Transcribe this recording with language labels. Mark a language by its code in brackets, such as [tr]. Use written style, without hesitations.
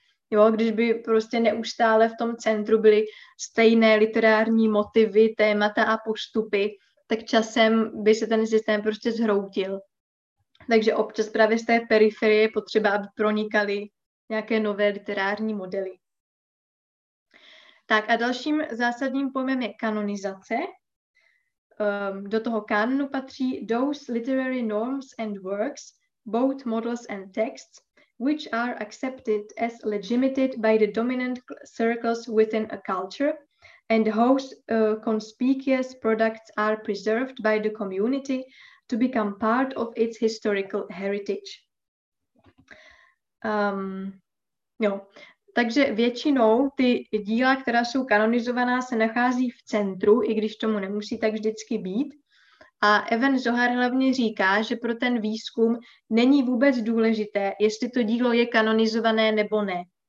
[cs] Jo, když by prostě neustále v tom centru byly stejné literární motivy, témata a postupy, tak časem by se ten systém prostě zhroutil. Takže občas právě z té periferie je potřeba, aby pronikaly nějaké nové literární modely. Tak a dalším zásadním pojmem je kanonizace. Do toho kanonu patří [en] those literary norms and works, both models and texts, which are accepted as legitimated by the dominant circles within a culture, and whose conspicuous products are preserved by the community to become part of its historical heritage. [cs] Jo. Takže většinou ty díla, která jsou kanonizovaná, se nachází v centru, i když tomu nemusí tak vždycky být. A Evan Zohar hlavně říká, že pro ten výzkum není vůbec důležité, jestli to dílo je kanonizované nebo ne.